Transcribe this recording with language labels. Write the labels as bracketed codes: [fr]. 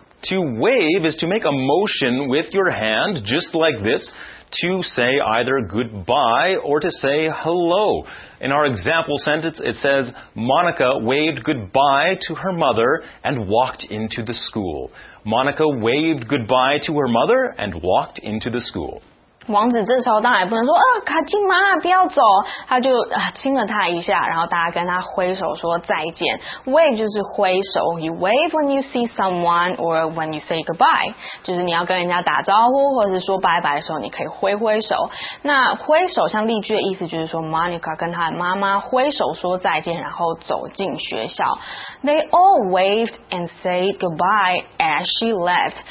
[en] To wave is to make a motion with your hand just like this. To say either goodbye or to say hello. In our example sentence, it says, Monica waved goodbye to her mother and walked into the school. Monica waved goodbye to her mother and walked into the school. [zh] 王子这时候当然也不能说，卡金妈，不要走。他就亲了她一下，然后大家跟他挥手说再见。 Wave 就是挥手。 [en] You wave when you see someone or when you say goodbye. [zh] 就是你要跟人家打招呼或者是说拜拜的时候，你可以挥挥手。那挥手像例句的意思就是说 ,Monica 跟她的妈妈挥手说再见，然后走进学校。 [en] They all waved and said goodbye as she left.